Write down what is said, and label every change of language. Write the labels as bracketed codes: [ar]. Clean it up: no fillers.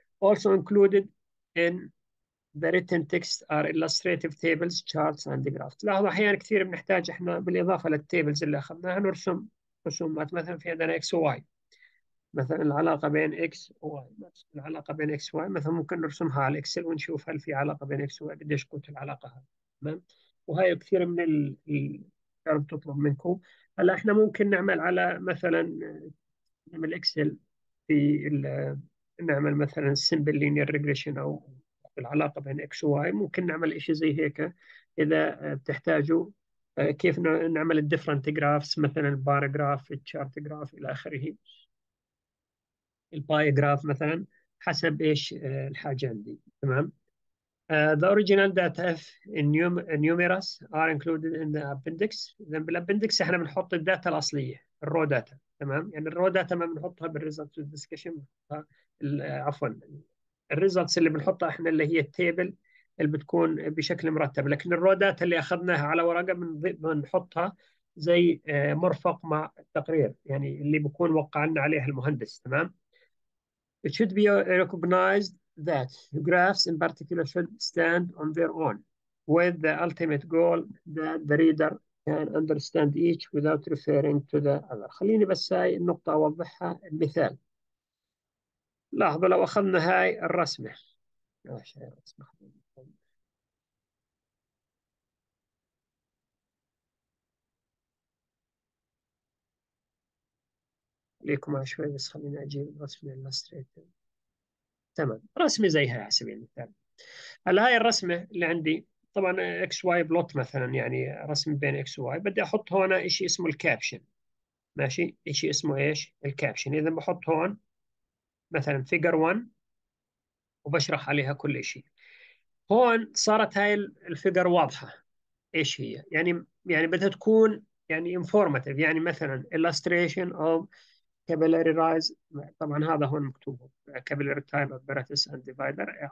[en] Also included in the written text are illustrative tables, charts and graphs. [ar] لاحظوا احيانا كثير بنحتاج احنا بالاضافه للتيبلز اللي اخذناها نرسم رسومات. مثلا في عندنا اكس واي، مثلا العلاقه بين اكس واي، العلاقه بين اكس واي مثلا ممكن نرسمها على الاكسل ونشوف هل في علاقه بين اكس واي، قديش قوه العلاقه هذه. تمام، وهي كثير من بتطلب منكم. هلا احنا ممكن نعمل على مثلا نعمل اكسل في نعمل مثلا سيمبل لينير ريجريشن او العلاقه بين اكس واي، ممكن نعمل شيء زي هيك اذا بتحتاجوا. كيف نعمل الديفرنت جرافس، مثلا البار جراف، التشارت جراف الى اخره، الباي جراف مثلا، حسب ايش الحاجه عندي. [en] تمام، the original data of numerous are included in the appendix. [ar] إذن بالابندكس احنا بنحط الداتا الاصليه، الرو داتا. تمام، يعني الرو داتا ما بنحطها بالريزلتس والديسكشن، عفوا الريزلتس اللي بنحطها احنا اللي هي التيبل اللي بتكون بشكل مرتب، لكن الرو داتا اللي اخذناها على ورقه بنحطها زي مرفق مع التقرير، يعني اللي بكون وقعنا عليها المهندس. [en] تمام، it should be recognized that the graphs in particular should stand on their own with the ultimate goal that the reader can understand each without referring to the other. [ar] خليني بس هاي النقطة أوضحها. المثال، لاحظوا لو أخذنا هاي الرسمة، ماشي هاي الرسمة، خليكم على شوي بس خليني أجيب الرسمة الإلستريتور. تمام، رسمة زي هاي على سبيل المثال. هلا هاي الرسمة اللي عندي، طبعا اكس واي بلوت مثلا، يعني رسم بين اكس واي، بدي احط هون شيء اسمه الكابشن. ماشي، شيء اسمه ايش؟ الكابشن. اذا بحط هون مثلا فيجر 1 وبشرح عليها كل شيء، هون صارت هاي الفيجر واضحة ايش هي، يعني بدها تكون يعني انفورماتيف، يعني مثلا [en] illustration of capillary rise. [ar] طبعا هذا هون مكتوب [en] capillary time apparatus and divider.